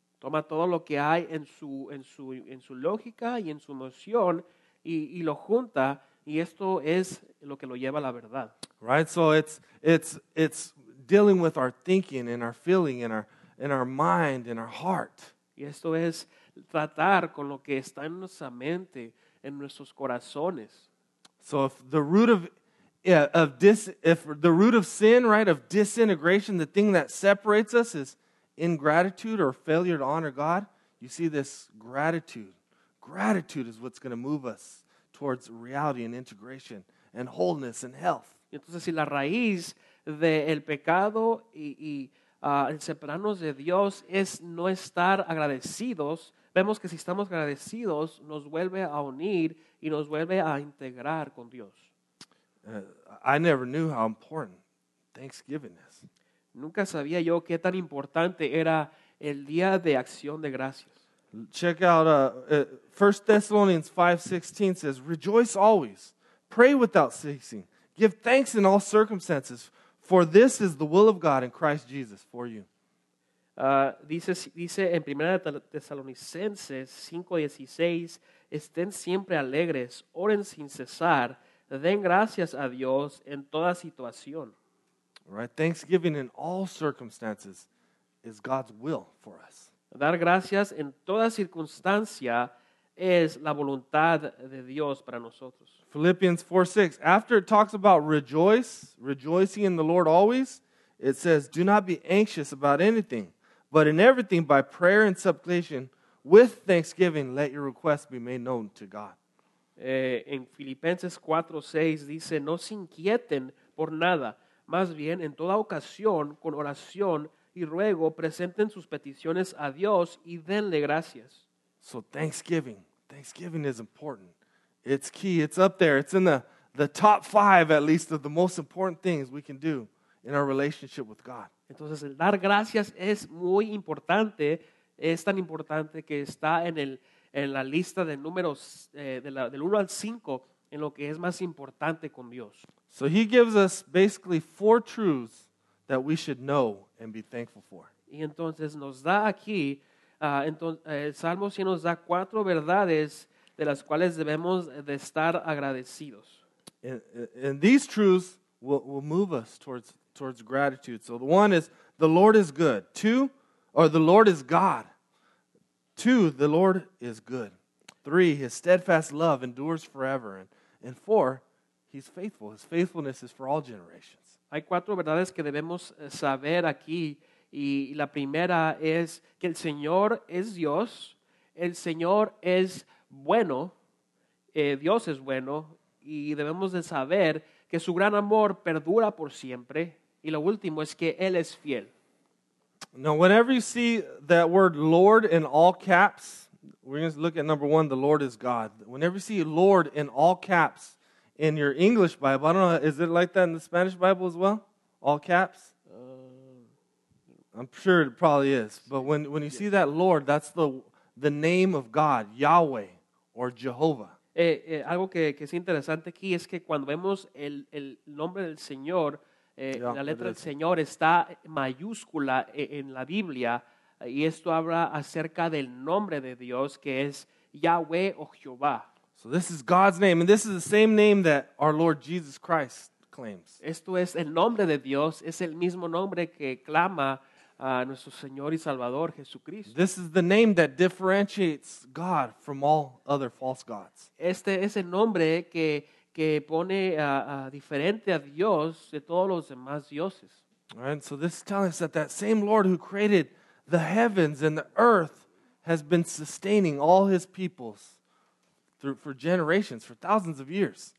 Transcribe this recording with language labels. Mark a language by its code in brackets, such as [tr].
[es] Toma todo lo que hay en su lógica y en su emoción y lo junta. Y esto es lo que lo lleva a la verdad. [en] Right, so it's dealing with our thinking and our feeling and our mind and our heart. [es] Y esto es tratar con lo que está en nuestra mente, en nuestros corazones. [en] So if the root of sin, right, of disintegration, the thing that separates us is ingratitude or failure to honor God, you see this gratitude. Gratitude is what's going to move us towards reality and integration and wholeness and health. [es] Entonces, si la raíz del pecado y el separarnos de Dios es no estar agradecidos, vemos que si estamos agradecidos, nos vuelve a unir y nos vuelve a integrar con Dios. [en] I never knew how important Thanksgiving is. [es] Nunca sabía yo qué tan importante era el Día de Acción de Gracias. [en] Check out 1 Thessalonians 5:16 says, rejoice always, pray without ceasing, give thanks in all circumstances, for this is the will of God in Christ Jesus for you. [es] Dice en 1 Tesalonicenses 5:16, estén siempre alegres, oren sin cesar, den gracias a Dios en toda situación. [en] Right, thanksgiving in all circumstances is God's will for us. [es] Dar gracias en toda circunstancia es la voluntad de Dios para nosotros. [en] Philippians 4:6. After it talks about rejoicing in the Lord always, it says, do not be anxious about anything, but in everything by prayer and supplication, with thanksgiving, let your requests be made known to God. [es] En Filipenses 4:6 dice, no se inquieten por nada, Más bien, en toda ocasión, con oración y ruego, presenten sus peticiones a Dios y denle gracias. [en] So Thanksgiving. Thanksgiving is important. It's key. It's up there. It's in the top five, at least, of the most important things we can do in our relationship with God. [es] Entonces, el dar gracias es muy importante. Es tan importante que está en la lista de números del 1 al 5 en lo que es más importante con Dios. [en] So he gives us basically four truths that we should know and be thankful for. [es] Y entonces nos da aquí, el Salmo 100 nos da cuatro verdades de las cuales debemos de estar agradecidos. [en] And these truths will move us towards gratitude. So the one is, the Lord is good. The Lord is God. 2, the Lord is good. 3, his steadfast love endures forever. And 4, he's faithful. His faithfulness is for all generations. [es] Hay cuatro verdades que debemos saber aquí. Y la primera es que el Señor es Dios. El Señor es bueno. Dios es bueno. Y debemos de saber que su gran amor perdura por siempre. Y lo último es que Él es fiel. [en] Now, whenever you see that word Lord in all caps, we're going to look at number one, the Lord is God. Whenever you see Lord in all caps in your English Bible, I don't know, is it like that in the Spanish Bible as well? All caps? I'm sure it probably is. But when you see that Lord, that's the name of God, Yahweh or Jehovah. [es] Algo que es interesante aquí es que cuando vemos el nombre del Señor, la letra del Señor está mayúscula en la Biblia, y esto habla acerca del nombre de Dios, que es Yahweh o Jehová. [en] So this is God's name, and this is the same name that our Lord Jesus Christ claims. [es] Esto es el nombre de Dios, es el mismo nombre que clama a nuestro Señor y Salvador Jesucristo. [en] This is the name that differentiates God from all other false gods. [es] Este es el nombre que pone diferente a Dios de todos los demás dioses. [en] All right, so this is telling us that same Lord who created the heavens and the earth has been sustaining all his peoples for generations, for thousands of years.